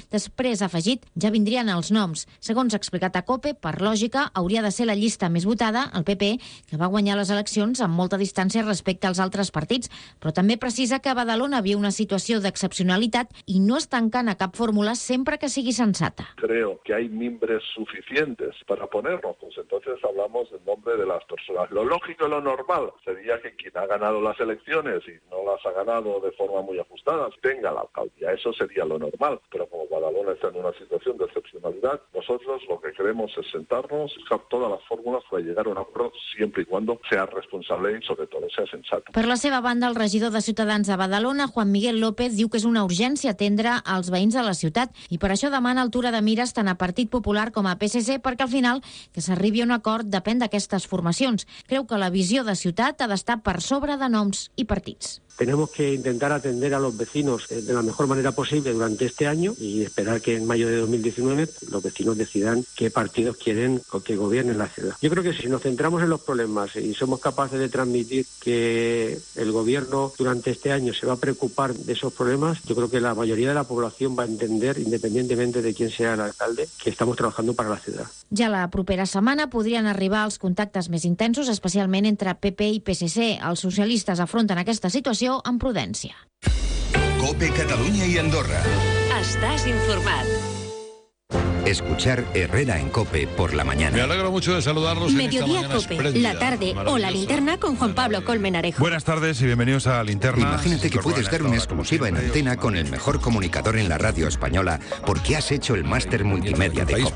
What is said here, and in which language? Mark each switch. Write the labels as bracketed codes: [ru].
[ca] Després, ha afegit, ja vindrien els noms. Segons ha explicat a COPE, per lògica, hauria de ser la llista més votada, el PP, que va guanyar les eleccions amb molta distància respecte als altres partits, però també precisa que Badalona viu una situació d'excepcionalitat i no es tancant a cap fórmula sempre que sigui sensata. [es] Creo que hay mimbres suficientes para ponernos, pues entonces hablamos en nombre de las personas. Lo lógico y lo normal sería que quien ha ganado las elecciones y no las ha ganado de forma muy ajustada tenga la alcaldía. Eso sería lo normal, pero como Badalona está en una situación de excepcionalidad, nosotros lo que queremos es sentarnos y usar todas las fórmulas para llegar a un acuerdo siempre y cuando sea responsable y sobre todo sea sensato. [ca] Per la seva banda, el regidor de Ciutadans a Badalona, Juan Miguel López, diu que és una urgència atendre els veïns de la ciutat i per això demana altura de mires tant a Partit Popular com a PSC perquè al final que s'arribi a un acord depèn d'aquestes formacions. Creu que la visió de ciutat ha d'estar per sobre de noms i partits. [es] Tenemos que intentar atender a los vecinos de la mejor manera posible durante este año y esperar que en mayo de 2019 los vecinos decidan qué partidos quieren o que gobiernen la ciudad. Yo creo que si nos centramos en los problemas y somos capaces de transmitir que el gobierno durante este año se va a preocupar de esos problemas, yo creo que la mayoría de la población va a entender, independientemente de quién sea el alcalde, que estamos trabajando para la ciudad. [ca] Ja la propera setmana podrien arribar els contactes més intensos, especialment entre PP i PSC. Els socialistes afronten aquesta situació amb prudència. COPE Catalunya i Andorra. Estàs informat. [es] Escuchar Herrera en COPE por la mañana. Me alegro mucho de saludarlos. Mediodía COPE, la tarde o la linterna con Juan Pablo Colmenarejo. Buenas tardes y bienvenidos a la linterna. Imagínate que puedes dar una exclusiva en antena con el mejor comunicador en la radio española porque has hecho el máster multimedia de COPE.